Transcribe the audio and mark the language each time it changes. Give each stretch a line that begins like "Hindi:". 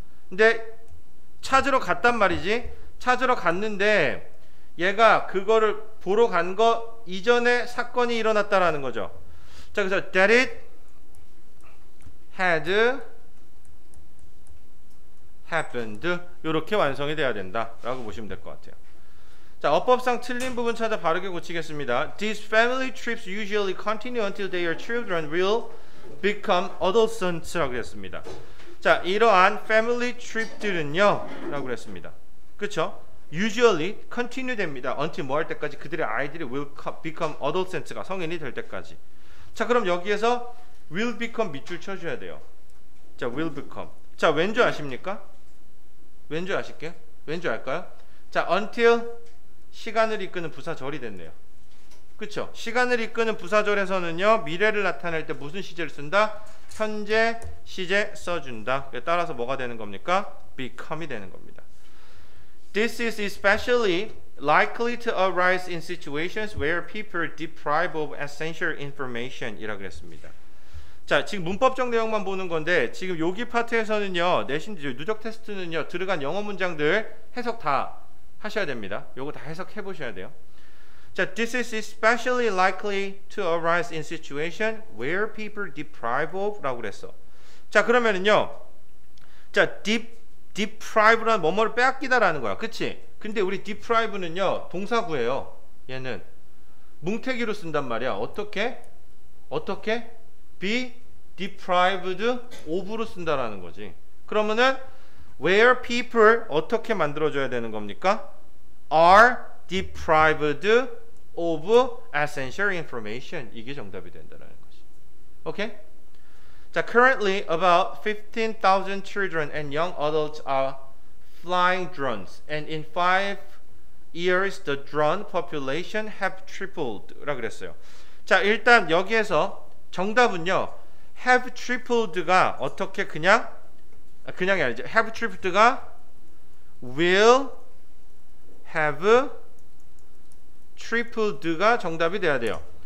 Korean: 근데 찾으러 갔단 말이지. 찾으러 갔는데 얘가 그거를 보러 간 거 이전에 사건이 일어났다라는 거죠. 자, 그래서
English: that it had happened
Korean: 이렇게 완성이 돼야 된다라고 보시면 될 것 같아요. 자, 어법상 틀린 부분 찾아 바르게 고치겠습니다.
English: These family trips usually continue until their children will become adolescents
Korean: 라고 했습니다. 자, 이러한 family trip들은요 라고 했습니다. 그쵸?
English: usually continue
Korean: 됩니다. until 뭐 할 때까지? 그들의 아이들이
English: will become adolescents
Korean: 가 성인이 될 때까지. 자, 그럼 여기에서
English: will become
Korean: 밑줄 쳐줘야 돼요. 자, will become. 자, 왠 줄 아십니까? 왠 줄 아실게요? 왠 줄 알까요? 자, until 시간을 이끄는 부사절이 됐네요, 그쵸? 시간을 이끄는 부사절에서는요 미래를 나타낼 때 무슨 시제를 쓴다? 현재 시제 써준다. 따라서 뭐가 되는 겁니까? become이 되는 겁니다.
English: This is especially likely to arise in situations where people are deprived of essential information
Korean: 이라고 그랬습니다. 자, 지금 문법적 내용만 보는 건데 지금 여기 파트에서는요, 내신 누적 테스트는요, 들어간 영어 문장들 해석 다 하셔야 됩니다. 요거 다 해석해 보셔야 돼요.
English: 자, this is especially likely to arise in situation where people are deprived of
Korean: 라고 그랬어. 자, 그러면은요, 자, deprive란 뭐뭐를 빼앗기다라는 거야. 그치? 근데 우리 deprive는요, 동사구예요. 얘는 뭉태기로 쓴단 말이야. 어떻게? 어떻게?
English: be deprived of
Korean: 로 쓴다라는 거지. 그러면은
English: where people
Korean: 어떻게 만들어줘야 되는 겁니까?
English: are deprived of essential information.
Korean: 이게 정답이 된다라는 거지. 오케이?
English: So currently, about 15,000 children and young adults are flying drones. And in 5 years, the drone population have tripled.
Korean: 라고 그랬어요. 자, 일단 여기에서 정답은요.
English: have tripled
Korean: 가 어떻게 그냥이 아니죠. have tripled가
English: will have tripled
Korean: 가 정답이 돼야 돼요.